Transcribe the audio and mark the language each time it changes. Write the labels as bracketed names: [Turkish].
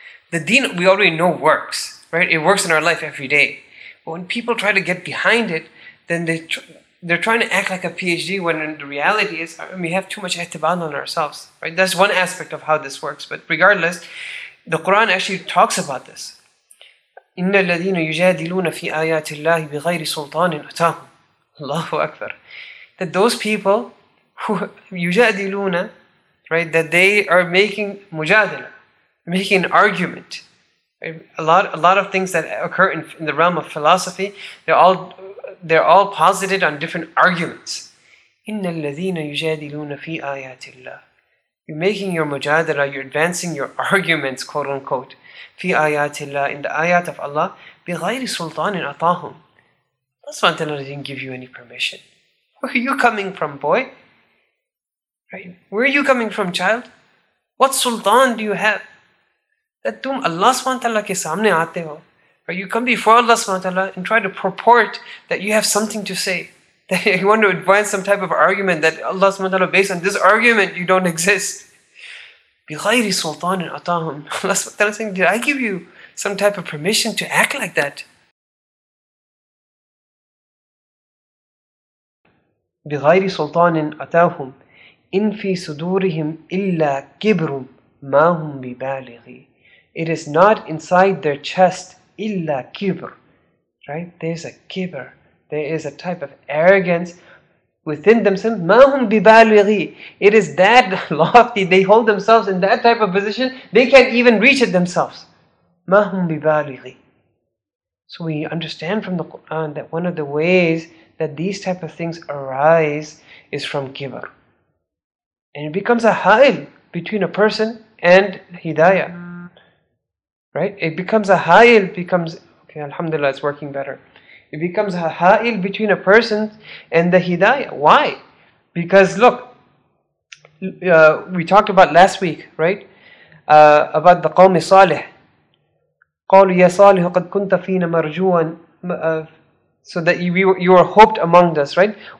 [English] The deen, we already know, works, right? It works in our life every day. But when people try to get behind it, then they're trying to act like a PhD when the reality is, I mean, we have too much i'tibad on ourselves, right? That's one aspect of how this works. But regardless, the Quran actually talks about this. [Arabic] إِنَّ الَّذِينَ يُجَادِلُونَ فِي آيَاتِ اللَّهِ بِغَيْرِ سُلْطَانٍ أَتَاهُمْ Allahu Akbar. [English] That those people who يُجَادِلُونَ, right, that they are making مُجَادِلَ, making an argument. A lot of things that occur in the realm of philosophy, they're all posited on different arguments. [Arabic] إِنَّ الَّذِينَ يُجَادِلُونَ فِي آيَاتِ اللَّهِ [English] You're making your مُجَادِلَ, you're advancing your arguments, quote-unquote, [Arabic] في آيات الله, [English] in the ayat of Allah, [Arabic] بغير سلطان أطاهم. [English] Allah subhanahu wa ta'ala didn't give you any permission. Where are you coming from, boy? Right? Where are you coming from, child? What sultan do you have? That [Urdu] tum Allah subhanahu wa ta'ala ke saamne aate ho. [English] Right? You come before Allah subhanahu wa ta'ala and try to purport that you have something to say. That you want to advance some type of argument that Allah subhanahu wa ta'ala, based on this argument, you don't exist. [Arabic] بِغَيْرِ سُلْطَانٍ أَطَاهُمْ [English] Allah subhanahu wa ta'ala saying, did I give you some type of permission to act like that? [Arabic] بِغَيْرِ سُلْطَانٍ أَطَاهُمْ إِن فِي صُدُورِهِمْ إِلَّا كِبْرٌ مَا هُمْ بِبَالِغِ [English] It is not inside their chest, [Arabic] إِلَّا كِبْرٌ Right? [English] There's a kibr. There is a type of arrogance within themselves, [Arabic] مَا هُمْ بِبَالِغِ [English] It is that lofty, they hold themselves in that type of position, they can't even reach it themselves. [Arabic] مَا هُمْ بِبَالِغِ [English] So we understand from the Qur'an that one of the ways that these type of things arise is from kibar. And it becomes a ha'il between a person and hidayah. Right? It becomes a ha'il, okay, alhamdulillah, it's working better. It becomes a ha'il between a person and the hidayah. Why? Because look, we talked about last week, right? About the qawmi salih. [Arabic] قَالُوا يَا صَالِحُ قَدْ كُنْتَ فِينَ مَرْجُوًا [English] So that you are hoped among us, right?